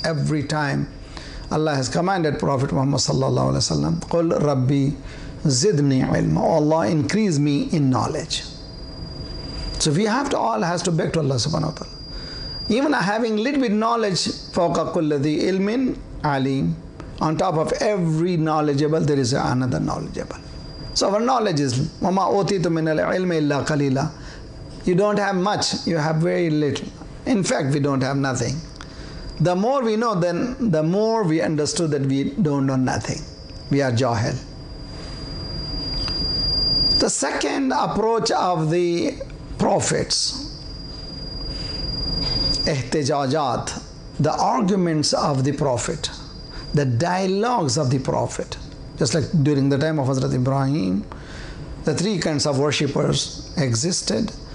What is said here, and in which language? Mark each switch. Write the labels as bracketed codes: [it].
[en] Every time Allah has commanded Prophet Muhammad sallallahu alaihi wasallam, [ar] قُلْ رَبِّي زِدْنِي عِلْمًا. [en] O Allah, increase me in knowledge. So we have to all has to beg to Allah subhanahu wa ta'ala. Even having little bit knowledge, [ar] فَوْقَ كُلَّذِي إِلْمٍ عَلِيمٍ. [en] On top of every knowledgeable, there is another knowledgeable. So our knowledge is, [ar] وَمَا أُوتِيتُ مِنَ الْعِلْمِ إِلَّا قَلِيلًا. [en] You don't have much, you have very little. In fact, we don't have nothing. The more we know, then the more we understood that we don't know nothing. We are jahil. The second approach of the prophets, ihtijajat, the arguments of the prophet, the dialogues of the prophet, just like during the time of Hazrat Ibrahim, the three kinds of worshippers existed.